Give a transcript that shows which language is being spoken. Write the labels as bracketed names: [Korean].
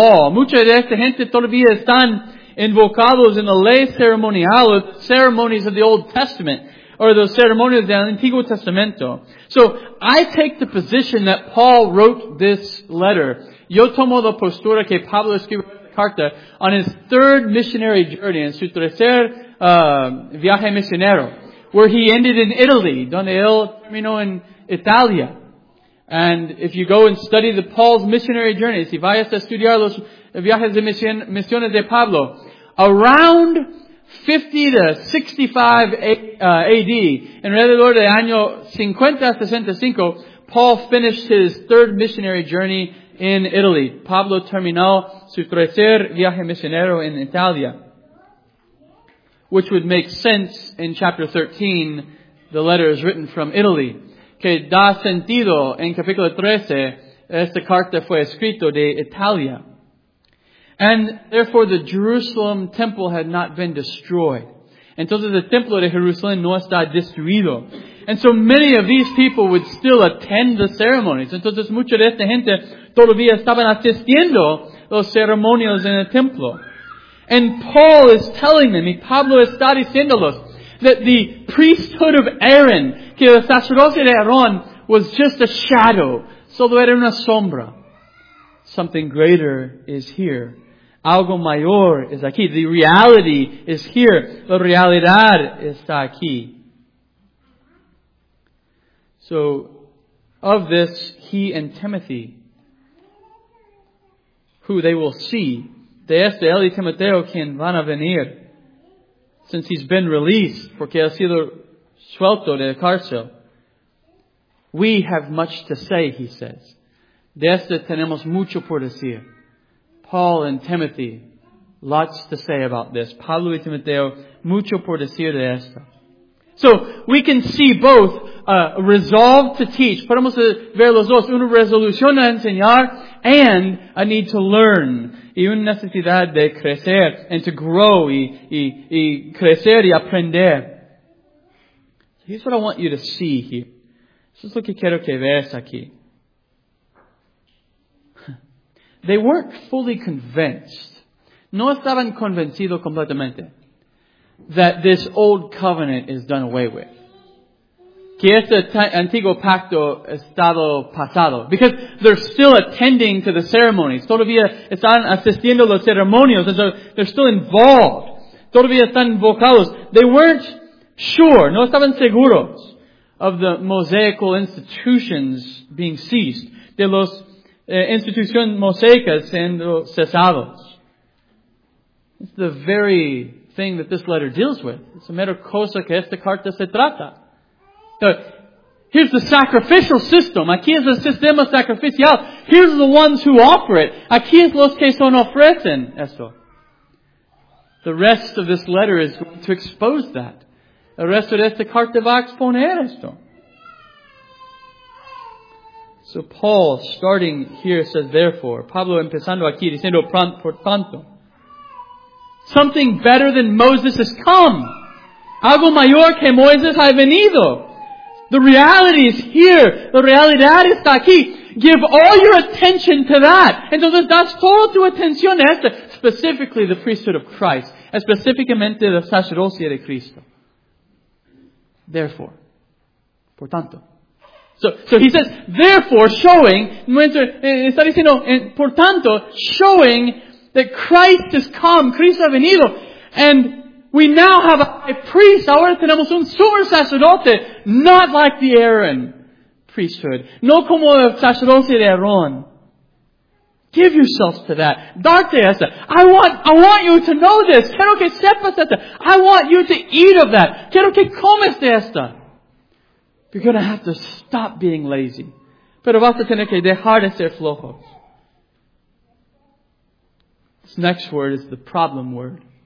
[Spanish] Mucha de esta gente todavía están invocados en la ley ceremonial, [English] the ceremonies of the Old Testament, or the ceremonies [Spanish] del Antiguo Testamento. [English] So, I take the position that Paul wrote this letter. [Spanish] Yo tomo la postura que Pablo escribió esta carta [English] on his third missionary journey, [Spanish] en su tercer viaje misionero, [English] where he ended in Italy, [Spanish] donde él terminó en Italia. [English] And if you go and study the Paul's missionary journey, [Spanish] si vayas a estudiar los viajes de misiones de Pablo, [English] around 50 to 65 A.D., [Spanish] en alrededor del año 50-65, [English] Paul finished his third missionary journey in Italy. [Spanish] Pablo terminó su tercer viaje misionero en Italia, [English] which would make sense in chapter 13, the letter is written from Italy. [Spanish] Que da sentido en capítulo 13, esta carta fue escrito de Italia. [English] And therefore the Jerusalem temple had not been destroyed. [Spanish] Entonces el templo de Jerusalén no está destruido. [English] And so many of these people would still attend the ceremonies. [Spanish] Entonces mucha de esta gente todavía estaban asistiendo los ceremonios en el templo. [English] And Paul is telling them, [Spanish] y Pablo está diciéndolos, [English] that the priesthood of Aaron, [Spanish] que el sacerdocio de Aarón, [English] was just a shadow. [Spanish] Solo era una sombra. [English] Something greater is here. [Spanish] algo mayor es aquí. [English] The reality is here. [Spanish] La realidad está aquí. [English] So, of this, he and Timothy, who they will see, [Spanish] de este, él y Timoteo, quien van a venir, [English] since he's been released, [Spanish] porque ha sido suelto de la cárcel. [English] We have much to say, he says. [Spanish] De este tenemos mucho por decir. [English] Paul and Timothy, lots to say about this. [Spanish] Pablo y Timoteo, mucho por decir de esto. [English] So, we can see both a resolve to teach. [Spanish] Podemos ver los dos. Una resolución a enseñar [English] and a need to learn. [Spanish] Y una necesidad de crecer [English] and to grow [Spanish] y crecer y aprender. [English] Here's what I want you to see here. [Spanish] Esto es lo que quiero que veas aquí. [English] They weren't fully convinced. [Spanish] No estaban convencidos completamente [English] that this old covenant is done away with. [Spanish] Que este antiguo pacto estado pasado. [English] Because they're still attending to the ceremonies. [Spanish] Todavía están asistiendo los ceremonios. [English] And so they're still involved. [Spanish] Todavía están involucrados. [English] They weren't sure. [Spanish] No estaban seguros [English] of the mosaical institutions being ceased. [Spanish] De los instituciones mosaicas siendo cesados. [English] It's the very thing that this letter deals with. [Spanish] Es la mera cosa que esta carta se trata. [English] Here's the sacrificial system. [Spanish] Aquí es el sistema sacrificial. [English] Here's the ones who offer it. [Spanish] Aquí es los que son ofrecen esto. [English] The rest of this letter is going to expose that. [Spanish] El resto de esta carta va a exponer esto. [English] So Paul, starting here, says, therefore. [Spanish] Pablo empezando aquí, diciendo, por tanto. [English] Something better than Moses has come. [Spanish] Algo mayor que Moisés ha venido. [English] The reality is here. The [Spanish] realidad está aquí. [English] Give all your attention to that. [Spanish] Entonces, das toda tu atención a esto. [English] Specifically, the priesthood of Christ. [Spanish] Específicamente, la sacerdocia de Cristo. [English] Therefore. [Spanish] Por tanto. [English] So he says, therefore, showing, [Spanish] está diciendo, por tanto, [English] showing that Christ has come, [Spanish] Cristo ha venido, [English] and we now have a priest, [Spanish] ahora tenemos un sumo sacerdote, [English] not like the Aaron priesthood, [Spanish] no como el sacerdote de Aaron. [English] Give yourselves to that. [Spanish] Darte esa. [English] I want you to know this. [Spanish] Quiero que sepas esta. [English] I want you to eat of that. [Spanish] Quiero que comas de esta. [English] You're going to have to stop being lazy. [Spanish] Pero vas a tener que dejar de ser flojo. [English] This next word is the problem word.